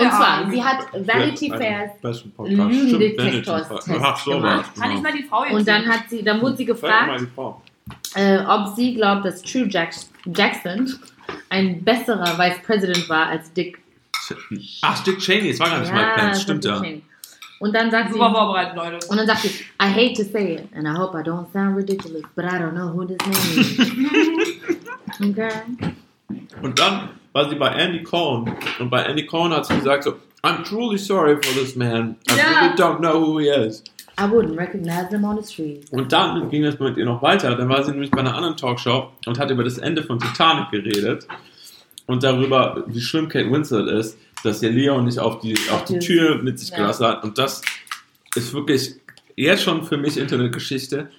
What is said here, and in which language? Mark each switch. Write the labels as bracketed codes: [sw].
[de] Und zwar, sie hat Vanity Fair Lügendetektor-Test gemacht. So war es, kann ich mal die Frau jetzt und dann hat sie, dann wurde sie gefragt, ob sie glaubt, dass True Jackson ein besserer Vice President war als Dick. Ach, Dick Cheney, es war gar nicht mal Pence, stimmt ja. Und dann sagt super vorbereitet, Leute. Und dann sagt sie, [en] I hate to say it, and I hope I don't sound ridiculous, but I don't know who this name is. Okay. [de] Und dann war sie bei Andy Cohen. Und bei Andy Cohen hat sie gesagt so, [en] I'm truly sorry for this man. I really don't know who he is. I wouldn't recognize him on the street. [de] Und dann ging das mit ihr noch weiter. Dann war sie nämlich bei einer anderen Talkshow und hat über das Ende von Titanic geredet. Und darüber, wie schlimm Kate Winslet ist, dass ihr Leo nicht auf die Tür mit sich gelassen hat. Und das ist wirklich jetzt schon für mich Internetgeschichte.